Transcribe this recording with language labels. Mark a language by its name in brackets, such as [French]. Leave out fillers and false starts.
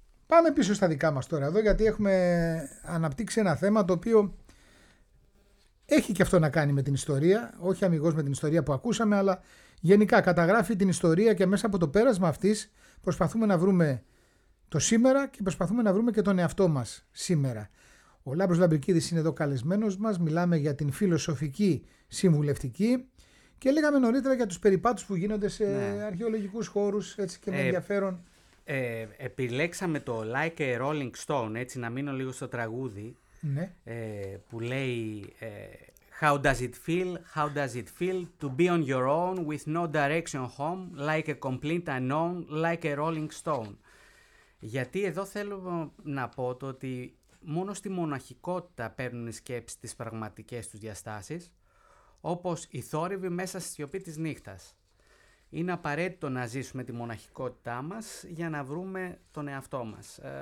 [Greek] Πάμε πίσω στα δικά μας τώρα εδώ, γιατί έχουμε αναπτύξει ένα θέμα το οποίο έχει και αυτό να κάνει με την ιστορία, όχι αμιγώς με την ιστορία που ακούσαμε, αλλά γενικά καταγράφει την ιστορία και μέσα από το πέρασμα αυτής προσπαθούμε να βρούμε το σήμερα και προσπαθούμε να βρούμε και τον εαυτό μας σήμερα. Ο Λάμπρος Λαμπρικίδης είναι εδώ καλεσμένος μας, μιλάμε για την φιλοσοφική συμβουλευτική και λέγαμε νωρίτερα για τους περιπάτους που γίνονται σε αρχαιολογικούς χώρους, έτσι και με ενδιαφέρον. Επιλέξαμε το Like a Rolling Stone, έτσι να μείνω λίγο στο τραγούδι, που λέει [English] how does it feel to be on your own with no direction home, like a complete unknown, like a rolling stone. [Greek] Γιατί εδώ θέλω να πω το ότι μόνο στη μοναχικότητα παίρνουν οι σκέψεις τις πραγματικές τους διαστάσεις, όπως η θόρυβη μέσα στη σιωπή της νύχτας. Είναι απαραίτητο να ζήσουμε τη μοναχικότητά μας για να βρούμε τον εαυτό μας.